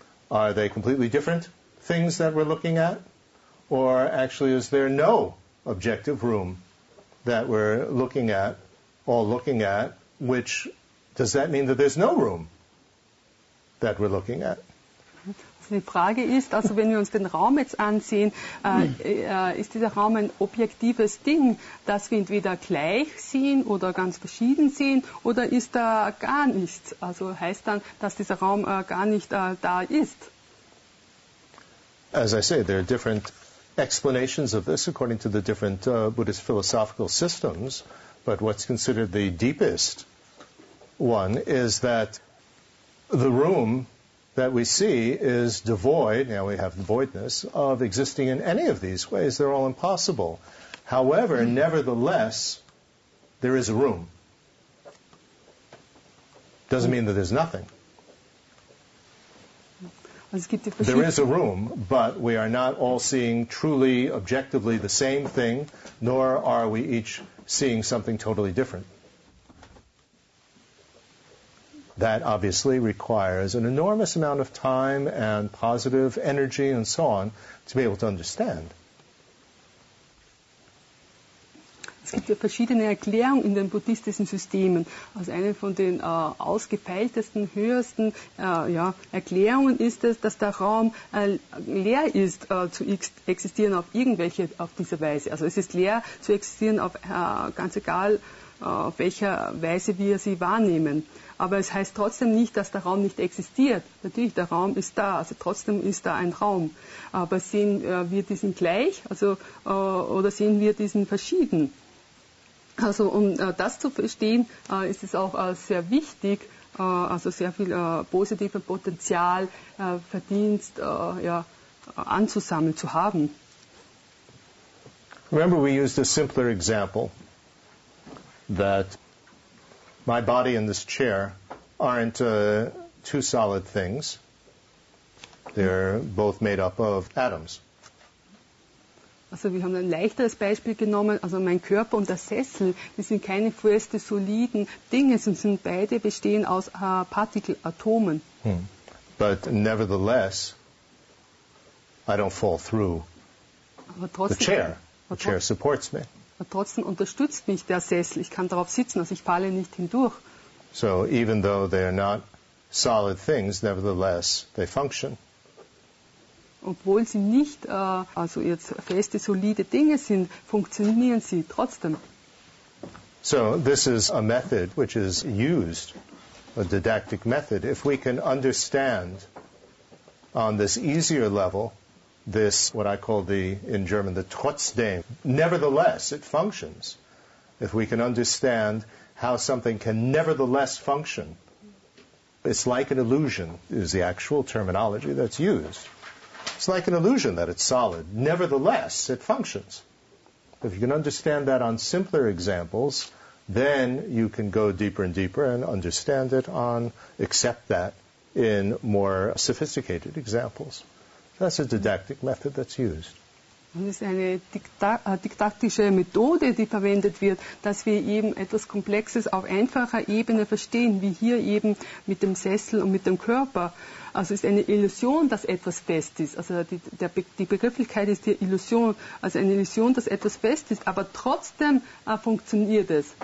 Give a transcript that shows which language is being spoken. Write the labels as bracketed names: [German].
[English] Are they completely different things that we're looking at? Or actually is there no objective room that we're looking at, all looking at, which does that mean that there's no room that we're looking at? [German] Also die Frage ist, also wenn wir uns den Raum jetzt ansehen, ist dieser Raum ein objektives Ding, das wir entweder gleich sehen oder ganz verschieden sehen, oder ist da gar nichts? Also heißt dann, dass dieser Raum gar nicht da ist? [English] As I say, there are different explanations of this according to the different Buddhist philosophical systems, but what's considered the deepest one is that the room that we see is devoid, now we have the voidness, of existing in any of these ways. They're all impossible. However, nevertheless, there is a room. Doesn't mean that there's nothing. There is a room, but we are not all seeing truly, objectively, the same thing, nor are we each seeing something totally different. That obviously requires an enormous amount of time and positive energy and so on to be able to understand. [German] Es gibt ja verschiedene Erklärungen in den buddhistischen Systemen. Also eine von den ausgefeiltesten, höchsten Erklärungen ist es, dass der Raum leer ist zu existieren auf irgendwelche, auf diese Weise. Also es ist leer zu existieren auf ganz egal, auf welcher Weise wir sie wahrnehmen. Aber es heißt trotzdem nicht, dass der Raum nicht existiert. Natürlich, der Raum ist da, also trotzdem ist da ein Raum. Aber sehen wir diesen gleich, also, oder sehen wir diesen verschieden? Also um das zu verstehen, ist es auch sehr wichtig, also sehr viel positives Potenzial, Verdienst anzusammeln, zu haben. [English] Remember, we used a simpler example that my body and this chair aren't two solid things. They're both made up of atoms. [German] Also wir haben ein leichteres Beispiel genommen, also mein Körper und der Sessel, die sind keine feste, soliden Dinge, sondern sind beide bestehen aus Partikelatomen. [English] But nevertheless, I don't fall through [German] trotzdem, [English] the chair. The chair supports me. [German] Aber trotzdem unterstützt mich der Sessel. Ich kann darauf sitzen, also ich falle nicht hindurch. [English] So even though they are not solid things, nevertheless, they function. [German] Obwohl sie nicht also jetzt feste, solide Dinge sind, funktionieren sie trotzdem. [English] So, this is a method which is used, a didactic method. If we can understand on this easier level, this, what I call the, in German, the trotzdem, nevertheless, it functions. If we can understand how something can nevertheless function, it's like an illusion, is the actual terminology that's used. It's like an illusion that it's solid. Nevertheless, it functions. If you can understand that on simpler examples, then you can go deeper and deeper and understand it on, accept that in more sophisticated examples. That's a didactic method that's used. [German] Das ist eine didaktische Methode, die verwendet wird, dass wir eben etwas Komplexes auf einfacher Ebene verstehen, wie hier eben mit dem Sessel und mit dem Körper. Also es ist eine Illusion, dass etwas fest ist. Also die Begrifflichkeit ist die Illusion, also eine Illusion, dass etwas fest ist, aber trotzdem funktioniert es.